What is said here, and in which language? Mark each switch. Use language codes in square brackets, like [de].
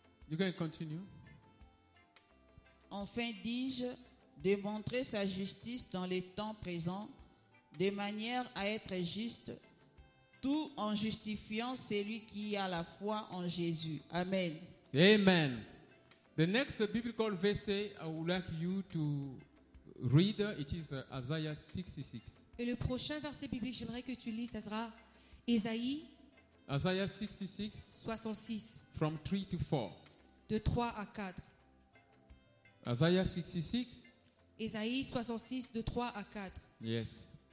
[en] You can continue. [fr] Enfin dis-je, démontrer sa justice dans les temps présents, de manière à être juste, tout en justifiant celui qui a la foi en Jésus. Amen. Amen. [en] The next biblical verse I would like you to read, it is Isaiah 66. [fr] Et le prochain verset biblique, j'aimerais que tu lis, ça sera Isaïe. [en] Isaiah 66, 66, from 3 to 4. [fr] De 3 à 4. [en] Isaiah 66. [fr] Esaïe 66, de 3 à 4. [en] Yes.